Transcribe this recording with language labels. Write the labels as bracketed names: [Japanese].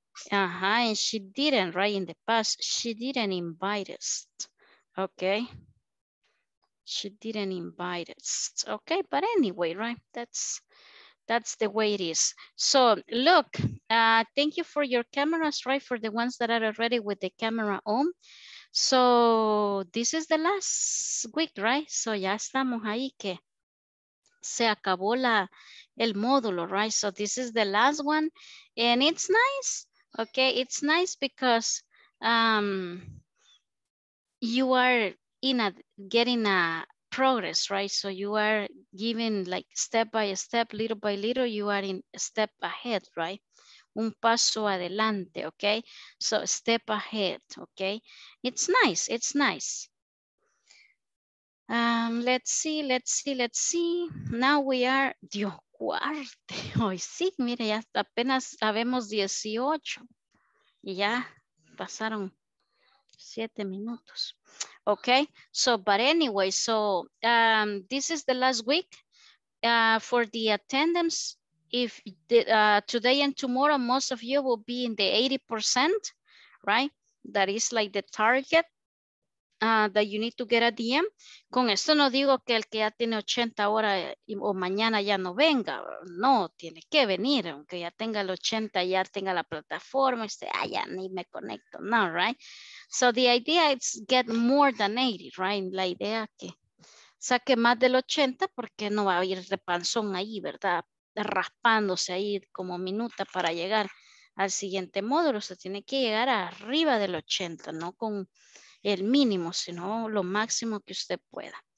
[English] Ajá, and she didn't, right? In the past, she didn't invite us. Okay. She didn't invite us. Okay, but anyway, right? That's the way it is. So look, thank you for your cameras, right? For the ones that are already with the camera on. So this is the last week, right? [Spanish] So ya estamos ahí que se acabó el módulo, right? [English] So this is the last one and it's nice. Okay, it's nice because you are getting a progress, right? So you are giving like step by step, little by little, you are in step ahead, right? [Spanish] Un paso adelante, [English] okay? So step ahead, okay? It's nice, it's nice. Let's see. Now we are, [Spanish] Dios cuarte, hoy sí, mire, ya apenas sabemos 18. Y ya pasaron 7 minutos. [English] Okay, so, but anyway, so this is the last week for the attendance. If the, today and tomorrow, most of you will be in the 80%, right? That is like the target that you need to get at the end. [Spanish] Con esto no digo que el que ya tiene 80 horas o mañana ya no venga. No, tiene que venir, aunque ya tenga el 80, ya tenga la plataforma, este, ah, ya ni me conecto, no, right? [English] So the idea is get more than 80, right? [Spanish] La idea que saque más del 80 porque no va a ir de panzón ahí, ¿verdad? Raspándose ahí como minuta para llegar al siguiente módulo. O sea, tiene que llegar arriba del 80, no con el mínimo, sino lo máximo que usted pueda.